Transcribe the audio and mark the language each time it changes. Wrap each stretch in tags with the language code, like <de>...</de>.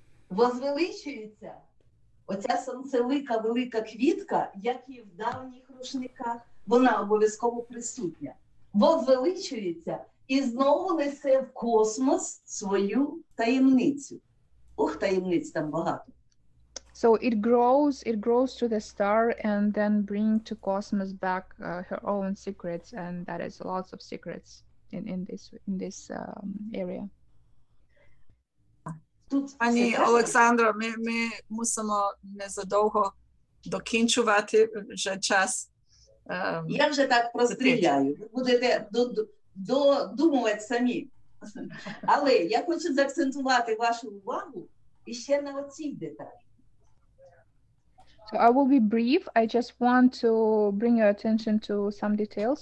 <uk>Возвеличується оця сонцелика, велика квітка, як і в давніх рушниках. Вона обов'язково присутня. Возвеличується і знову несе в космос свою таємницю. Ух, таємниць там багато.</uk> <en>So it grows to the star and then bring to cosmos back her own secrets, and that is lots of secrets in this area.</en> <uk>Тут пані Олександро, ми мусимо незадовго докінчувати вже час. Я вже так простріляю. Ви будете додумувати самі. Але я хочу заакцентувати вашу увагу іще на оцій деталі.</uk> <en>So I will be brief. I just want to bring your attention to some details.</en>